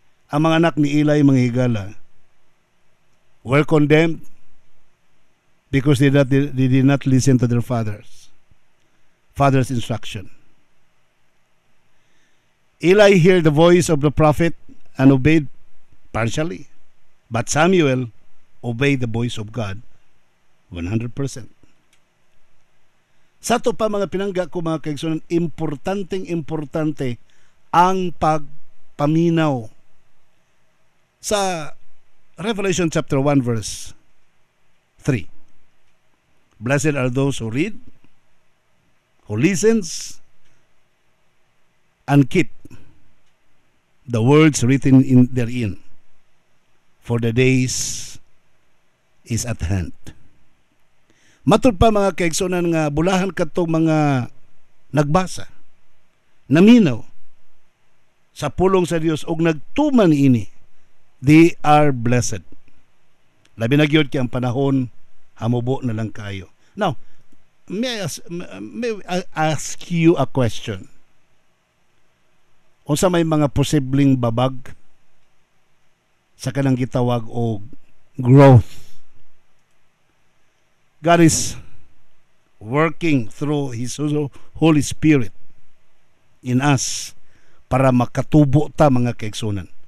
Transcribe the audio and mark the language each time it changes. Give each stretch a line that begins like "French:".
Cebuano: Ang mga anak ni Eli, mga higala,
English: were condemned because they did not listen to their father's instruction. Eli heard the voice of the prophet and obeyed partially, but Samuel obeyed the voice of God 100%.
Cebuano: Sa to pa mga pinangga ko mga kaigsunan, importante ang pagpaminaw.
English: Sa Revelation chapter 1 verse 3, blessed are those who read, who listens and keep the words written in therein, for the days is at hand.
Cebuano: Matod pa mga kaigsunan nga bulahan ka itong mga nagbasa, naminaw sa pulong sa Dios og nagtuman ini,
English: they are blessed.
Cebuano: Labi na gyud kay ang panahon, hamubo na lang kayo.
English: Now, May I ask you a question?
Cebuano: Unsa may mga posibleng babag sa kanang gitawag o growth?
English: God is working through His Holy Spirit in us
Cebuano: para makatubo ta mga kaigsunan.